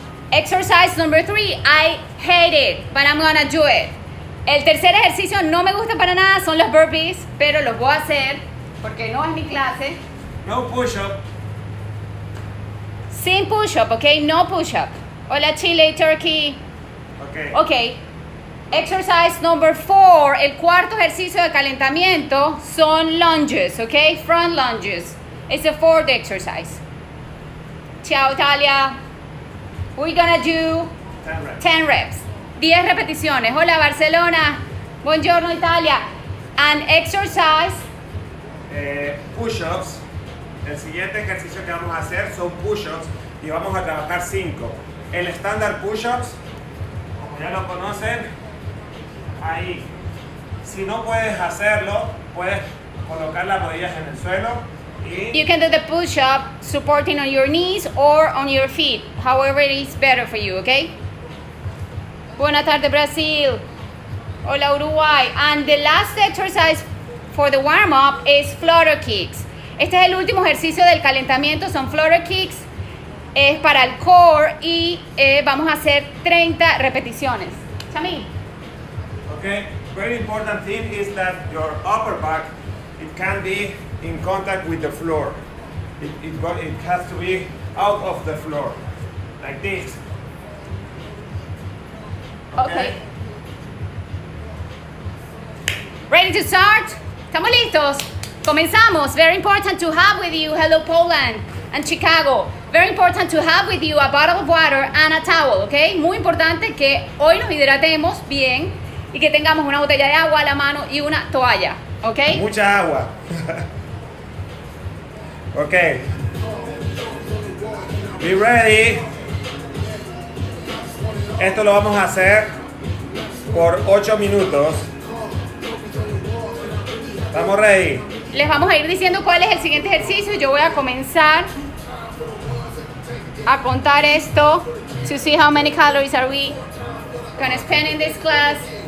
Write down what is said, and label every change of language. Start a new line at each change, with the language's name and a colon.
English: Exercise number 3, I hate it, but I'm gonna do it.
Spanish: El tercer ejercicio no me gusta para nada, son los burpees, pero los voy a hacer porque no es mi clase.
English: No push-up.
Spanish: Sin push-up, okay? No push-up. Hola Chile, Turkey.
English: Okay.
Spanish: Okay.
English: Exercise number 4,
Spanish: el cuarto ejercicio de calentamiento son lunges, okay?
English: Front lunges. It's a 4th exercise. Ciao, Italia. We're gonna do 10 reps.
Spanish: 10 repeticiones. Hola, Barcelona. Buongiorno, Italia.
English: And exercise. Push-ups.
Spanish: El siguiente ejercicio que vamos a hacer son push-ups y vamos a trabajar 5. El estándar push-ups, como ya lo conocen, ahí. Si no puedes hacerlo, puedes colocar las rodillas en el suelo.
English: You can do the push-up supporting on your knees or on your feet, however it is better for you, okay?
Spanish: Buenas tardes,
English: Brasil. Hola, Uruguay. And the last exercise for the warm-up is flutter kicks.
Spanish: Este es el último ejercicio del calentamiento, son flutter kicks. Es para el core y vamos a hacer 30 repeticiones. Chami.
English: Okay, very important thing is that your upper back, it can be in contact with the floor. It has to be out of the floor, like this. Okay. Ready to start?
Spanish: Estamos listos. Comenzamos.
English: Very important to have with you, hello Poland and Chicago. Very important to have with you a bottle of water and a towel, okay?
Spanish: Muy importante que hoy nos hidratemos bien y que tengamos una botella de agua a la mano y una toalla, okay? Mucha agua.
English: Okay. Be ready.
Spanish: Esto lo vamos a hacer por 8 minutos. ¿Estamos ready? Les vamos a ir diciendo cuál es el siguiente ejercicio. Yo voy a comenzar a contar esto.
English: To see how many calories are we gonna spend in this class.